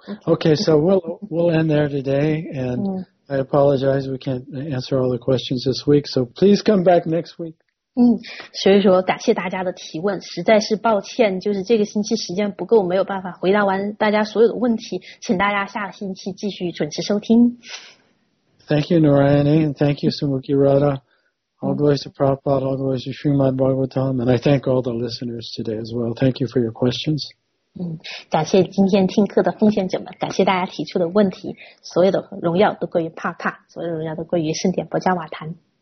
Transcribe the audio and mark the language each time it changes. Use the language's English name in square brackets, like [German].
[English] Okay. So we'll end there today, and I apologize we can't answer all the questions this week. So please come back next week. [Chinese] 所以说感谢大家的提问，实在是抱歉，就是这个星期时间不够，没有办法回答完大家所有的问题，请大家下个星期继续准时收听。 [English] Thank you, Narayani, and thank you, Sumukhi Radha. All glories to Prabhupada, all glories to Srimad Bhagavatam, and I thank all the listeners today as well. Thank you for your questions. [Chinese] 感谢今天听课的奉献者们，感谢大家提出的问题。所有的荣耀都归于帕帕，所有的荣耀都归于圣典博迦瓦坛。